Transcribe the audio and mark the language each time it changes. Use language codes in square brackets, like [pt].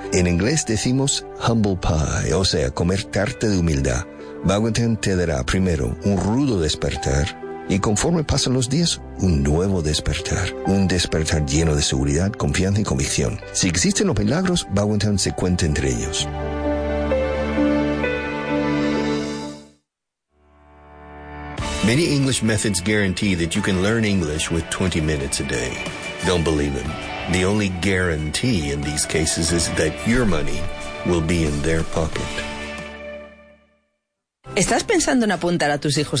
[es] En inglés decimos humble pie, o sea, comer tarta de humildad. Vaughan Town te dará primero un rudo despertar, y conforme pasan los días, un nuevo despertar. Un despertar lleno de seguridad, confianza y convicción. Si existen los milagros, Vaughan Town se cuenta entre ellos. [en] Many English methods guarantee that you can learn English with 20 minutes a day. Don't believe them. The only guarantee in these cases is that your money will be in their pocket. [es] ¿Estás pensando en apuntar a tus hijos a